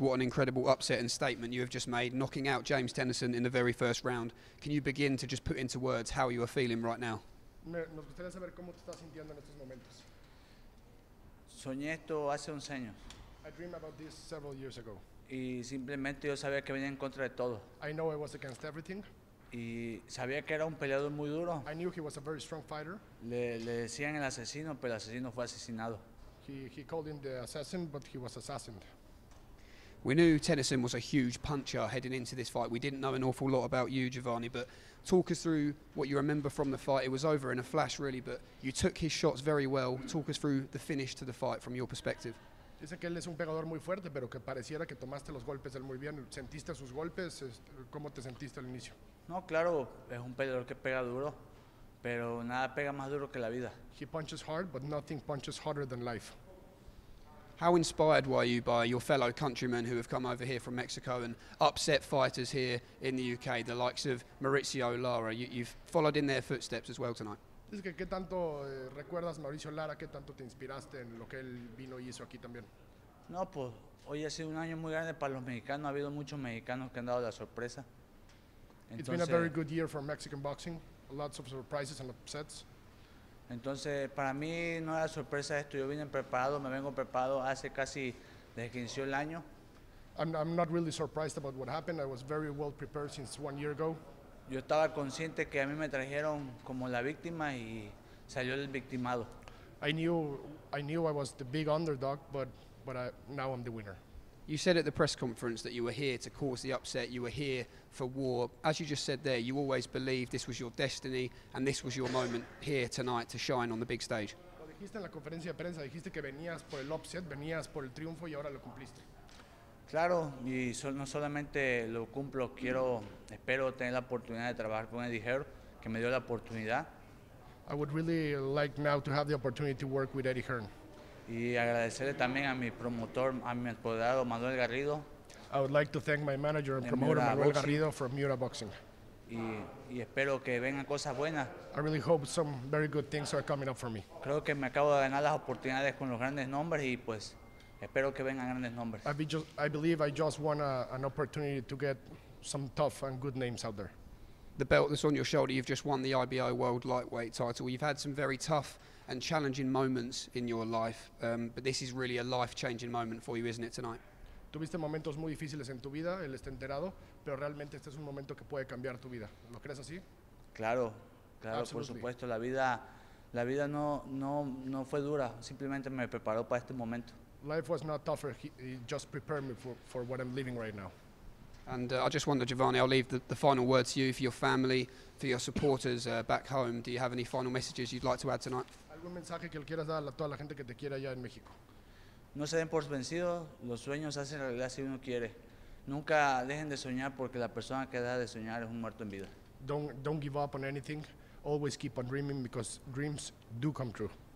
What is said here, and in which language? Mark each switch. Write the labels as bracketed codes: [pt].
[en] What an incredible upset and statement you have just made, knocking out James Tennyson in the very first round. Can you begin to just put into words how you are feeling right now? [es] Nos gustaría saber cómo te estás sintiendo en estos momentos. Soñé esto hace 11 años. [en] I dreamed about this several years ago. [es] Y simplemente yo sabía que venía en contra de todo. [en] I know I was against everything. [es] Y sabía que era un peleador muy duro. [en] I knew he was a very strong fighter. [es] Le decían el asesino, pero el asesino fue asesinado. [en] He called him the assassin, but he was assassined. We knew Tennyson was a huge puncher heading into this fight. We didn't know an awful lot about you, Giovanni, but talk us through what you remember from the fight. It was over in a flash, really, but you took his shots very well. Talk us through the finish to the fight from your perspective. [es] Dicen que él es un pegador muy fuerte, pero que pareciera que tomaste los golpes él muy bien. ¿Sentiste sus golpes? ¿Cómo te sentiste al inicio? No, claro, es un peleador que pega duro. Pero nada pega más duro que la vida. [en] He punches hard, but nothing punches harder than life. How inspired were you by your fellow countrymen who have come over here from Mexico and upset fighters here in the UK, the likes of Mauricio Lara? You've followed in their footsteps as well tonight. [es] Dice que qué tanto recuerdas Mauricio Lara, qué tanto te inspiraste en lo que él vino y hizo aquí también. No, pues hoy ha sido un año muy grande para los mexicanos. Ha habido muchos mexicanos que han dado la sorpresa. [en] Entonces, it's been a very good year for Mexican boxing. Lots of surprises and upsets. [es] Entonces, para mí no era sorpresa esto. Yo vine preparado, me vengo preparado hace casi desde que inició el año. [en] I'm not really surprised about what happened. I was very well prepared since one year ago. [es] Yo estaba consciente que a mí me trajeron como la víctima y salió el victimado. [en] I knew I was the big underdog, but now I'm the winner. You said at the press conference that you were here to cause the upset, you were here for war. As you just said there, you always believed this was your destiny and this was your moment here tonight to shine on the big stage. [es] Lo dijiste en la conferencia de prensa, dijiste que venías por el upset, venías por el triunfo y ahora lo cumpliste. Claro, y no solamente lo cumplo, espero tener la oportunidad de trabajar con Eddie Hearn, que me dio la oportunidad. [en] I would really like now to have the opportunity to work with Eddie Hearn. [es] Y agradecerle también a mi promotor, a mi apoderado Manuel Garrido. [en] I would like to thank my manager and promoter Manuel Garrido from Miura Boxing. [es] Y espero que vengan cosas buenas. [en] I really hope some very good things are coming up for me. [es] Creo que me acabo de ganar las oportunidades con los grandes nombres y pues espero que vengan grandes nombres. [en] I believe I just want an opportunity to get some tough and good names out there. The belt that's on your shoulder, you've just won the IBO World Lightweight title. You've had some very tough and challenging moments in your life, but this is really a life-changing moment for you, isn't it, tonight? [es] Tuviste momentos muy difíciles en tu vida, él está enterado, pero realmente este es un momento que puede cambiar tu vida. ¿Lo crees así? Claro, claro, por supuesto. La vida no fue dura, simplemente me preparó para este momento. [en] Life was not tougher, it just prepared me for what I'm living right now. And I just wonder, Giovanni, I'll leave the final word to you, for your family, for your supporters back home. Do you have any final messages you'd like to add tonight? [es] ¿Algún mensaje que le quieras dar a toda la gente que te quiere allá en México? No se den por vencidos, los sueños hacen realidad si uno quiere. Nunca dejen de soñar porque la persona que deja de soñar es un muerto en vida. [en] Don't give up on anything, always keep on dreaming because dreams do come true.